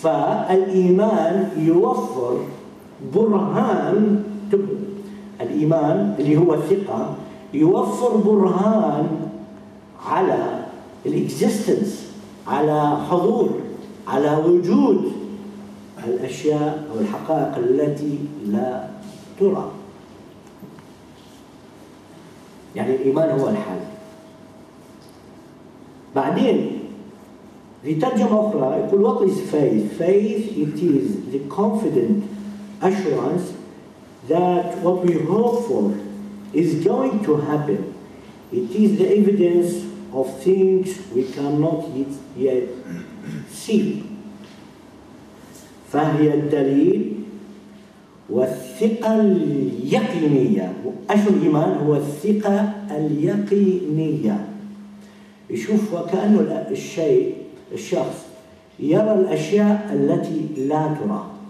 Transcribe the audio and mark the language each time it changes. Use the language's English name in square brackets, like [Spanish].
[Arabic] فالإيمان يوفر برهان، الإيمان اللي هو الثقة يوفر برهان على الإكزيستنس، على حضور، على وجود الأشياء أو الحقائق التي لا ترى. يعني الإيمان هو الحال. بعدين في ترجمة أخرى يقول [English] what is faith. Faith it is the confident assurance that what we hope for is going to happen. It is the evidence of things we cannot yet see. [Arabic] فهي الدليل والثقة اليقينية. أشو الإيمان؟ هو الثقة اليقينية. يشوف وكأنه الشيء، الشخص يرى الأشياء التي لا ترى.